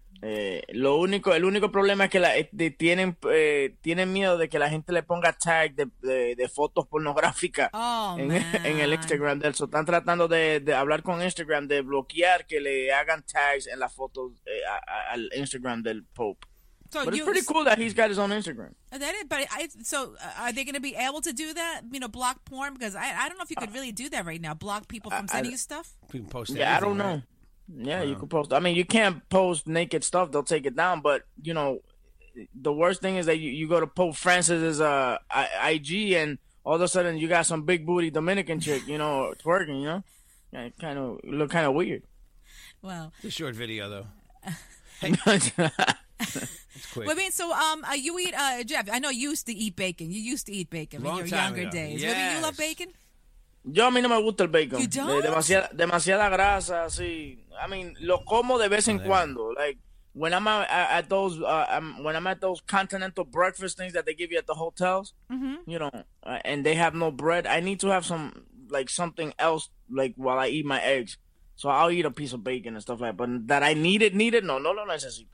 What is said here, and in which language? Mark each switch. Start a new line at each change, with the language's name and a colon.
Spanish: El único problema es que tienen miedo de que la gente le ponga tag de fotos pornográficas en el Instagram de él. So están tratando de hablar con Instagram, de bloquear que le hagan tags en las fotos al Instagram del Pope.
English: It's pretty cool that he's got his own Instagram. Are they going to be able to do that? You know, block porn? Because I don't know if you could really do that right now. Block people from sending you stuff? People post anything, I don't know. Right? Yeah, you could post. I mean, you can't post naked stuff. They'll take it down. But, you know, the worst thing is that you go to Pope Francis's IG and all of a sudden you got some big booty Dominican chick, you know, twerking, you know? Yeah, it kind of look kind of weird. Well, it's a short video, though. Well, I mean, so you eat, Jeff, I know you used to eat bacon. You used to eat bacon long in your younger ago. Days. Yes. Maybe you love bacon?
Spanish: Yo a mí no me gusta el bacon.
English: You don't?
Spanish: Demasiada grasa, sí.
English: I mean,
Spanish: lo como de vez en cuando.
English: Like when I'm at those when I'm at those continental breakfast things that they give you at the hotels, you know, and they have no bread. I need to have some like something else like while I eat my eggs. So I'll eat a piece of bacon and stuff like that. But that I need it?
Spanish: No, lo necesito.